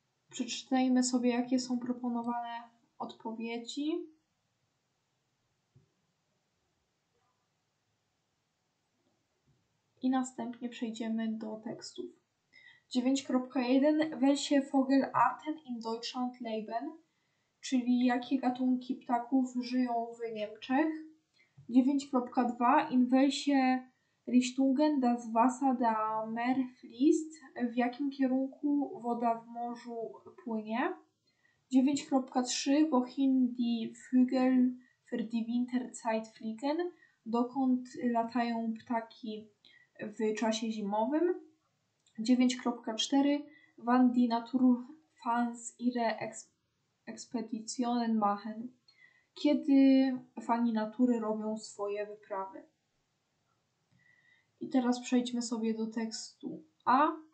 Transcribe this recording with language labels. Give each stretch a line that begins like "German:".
Polish: Przeczytajmy sobie, jakie są proponowane odpowiedzi. I następnie przejdziemy do tekstów. 9.1.
German: Welche Vogel Arten in Deutschland leben?
Polish: Czyli jakie gatunki ptaków żyją w Niemczech? 9.2.
German: In welche Richtungen das Wasser der Meer fließt?
Polish: W jakim kierunku woda w morzu płynie? 9.3.
German: Wohin die Vögel für die Winterzeit fliegen?
Polish: Dokąd latają ptaki w czasie zimowym? 9.4.
German: Wann die Naturfans ihre Expeditionen machen?
Polish: Kiedy fani natury robią swoje wyprawy? I teraz przejdźmy sobie do tekstu A.